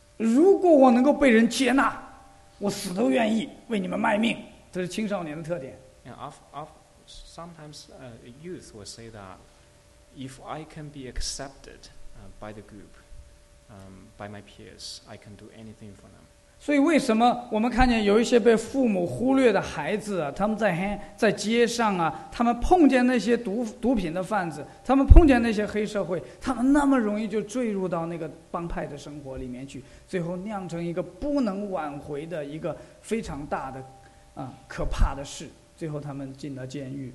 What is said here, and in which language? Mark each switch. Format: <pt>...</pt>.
<zh>如果我能够被人接纳，我死都愿意为你们卖命。这是青少年的特点。</zh> <en>And sometimes youth will say that if I can be accepted by the group. By my peers, I can do anything for them.</en> <zh>所以为什么我们看见有一些被父母忽略的孩子啊，他们在街上啊，他们碰见那些毒品的贩子，他们碰见那些黑社会，他们那么容易就坠入到那个帮派的生活里面去，最后酿成一个不能挽回的一个非常大的可怕的事，最后他们进了监狱。</zh>